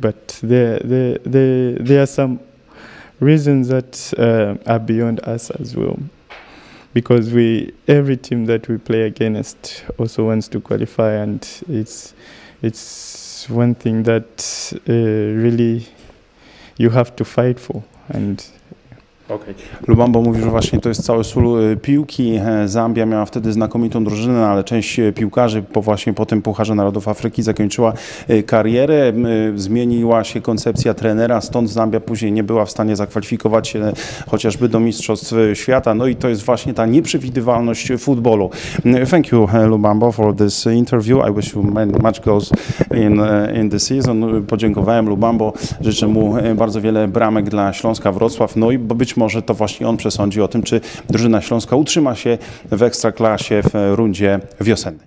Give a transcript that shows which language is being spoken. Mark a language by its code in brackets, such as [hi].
[en] But there are some reasons that are beyond us as well, because every team that we play against also wants to qualify, and it's one thing that really you have to fight for. And okay. [pl] Lubambo mówi, że właśnie to jest cały sól piłki. Zambia miała wtedy znakomitą drużynę, ale część piłkarzy po tym Pucharze Narodów Afryki zakończyła karierę. Zmieniła się koncepcja trenera, stąd Zambia później nie była w stanie zakwalifikować się chociażby do Mistrzostw Świata. No i to jest właśnie ta nieprzewidywalność futbolu. [en] Thank you, Lubambo, for this interview. I wish you much goals in the season. [pl] Podziękowałem Lubambo. Życzę mu bardzo wiele bramek dla Śląska Wrocław. No i być może to właśnie on przesądzi o tym, czy drużyna śląska utrzyma się w ekstraklasie w rundzie wiosennej.